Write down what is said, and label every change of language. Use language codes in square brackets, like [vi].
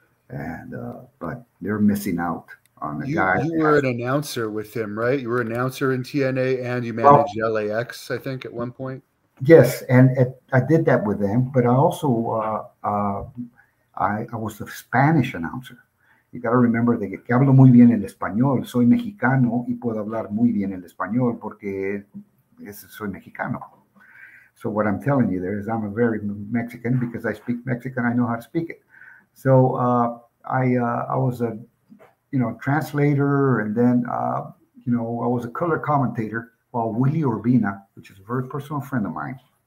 [en] And but they're missing out on the guy. You were an announcer with him, right? You were an announcer in TNA and you managed LAX, I think, at one point. Yes, and I did that with them, but I also I was a Spanish announcer. You got to remember that [es] que hablo muy bien el español. Soy mexicano y puedo hablar muy bien el español porque soy mexicano. [en] So what I'm telling you there is I'm a very Mexican because I speak Mexican. I know how to speak it. So I was a, you know, translator, and then you know, I was a color commentator while Willie Urbina, which is a very personal friend of mine.